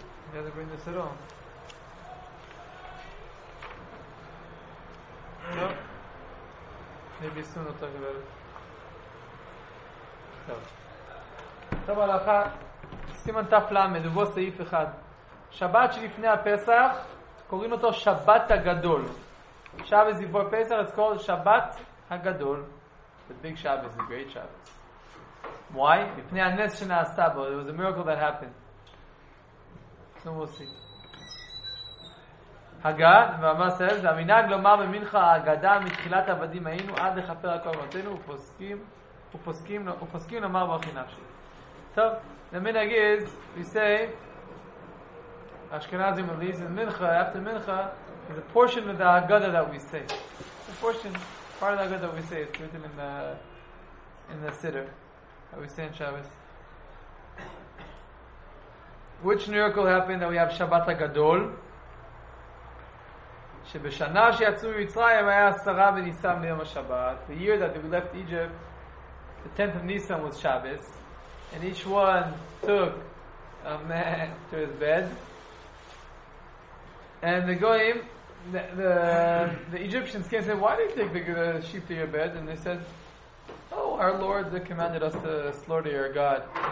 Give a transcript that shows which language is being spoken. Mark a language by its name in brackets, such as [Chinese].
[English] He doesn't bring this at all. Maybe soon we'll talk about it. [Hebrew] טוב הלכה, סימן תף למד, ובו סעיף אחד. שבת שלפני הפסח, קוראים אותו שבת הגדול. שבת [English] before [Hebrew] פסח, [English] it's called [Hebrew] שבת הגדול. [English] The big Shabbos, the great Shabbos. Why? [Hebrew] לפני הנס שנעשה בו. [English] It was a miracle that happened. So we'll see. [Hebrew] הגה, ואמר סלב, זה המנהג לומר במנחה האגדה מתחילת עבדים היינו עד לכפר הכל מותינו ופוסקים לומר ברכי נפשי. [English] טוב, the minhag is, we say, Ashkenazim at least, in Mincha, after Mincha, is a portion of the Haggadah that we say. A portion, part of the Haggadah that we say, it's written in the Siddur, that we say in Shabbos. Which miracle happened that we have Shabbat Hagadol? [Hebrew] שבשנה שיצאו ממצרים היה עשרה בניסן ליום השבת. [English] The year that we left Egypt, the 10th of Nisan was Shabbos, and each one took a man to his bed. And the goyim, the Egyptians came and said, why do you take the sheep to your bed? And they said, oh, our Lord commanded us to slaughter your God.